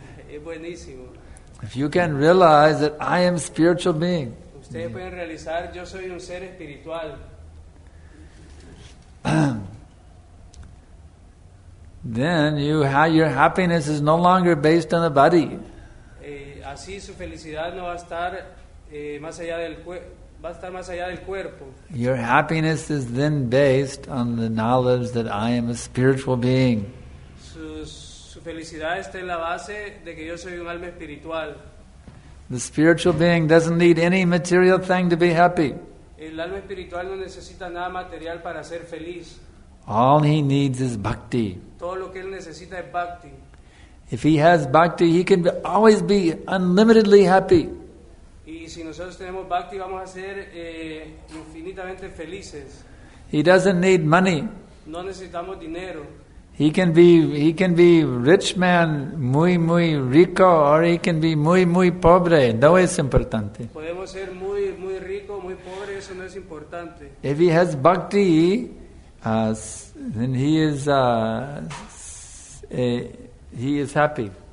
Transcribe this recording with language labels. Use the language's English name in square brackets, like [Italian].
[Spanish] Es buenísimo. [English] If you can realize that I am a spiritual being, [Spanish] ustedes yeah. pueden realizar, yo soy un ser espiritual. [English] Then your happiness is no longer based on the body. [Spanish] Así su felicidad no va a estar más allá del va a estar más allá del cuerpo. [English] Your happiness is then based on the knowledge that I am a spiritual being. [Spanish] Su felicidad está en la base de que yo soy un alma espiritual. [English] The spiritual being doesn't need any material thing to be happy. [Spanish] El alma espiritual no necesita nada material para ser feliz. [English] All he needs is bhakti. [Spanish] Todo lo que él necesita es bhakti. [English] If he has bhakti, he can always be unlimitedly happy. [Spanish] Y si nosotros tenemos bhakti, vamos a ser infinitamente felices. [English] He doesn't need money. [Spanish] No necesitamos dinero. [English] He can be rich man, [Spanish] muy muy rico, [English] or he can be [Spanish] muy muy pobre. No es importante. Podemos ser muy muy rico, muy pobre. Eso no es importante. [English] If he has bhakti, then he is he is happy.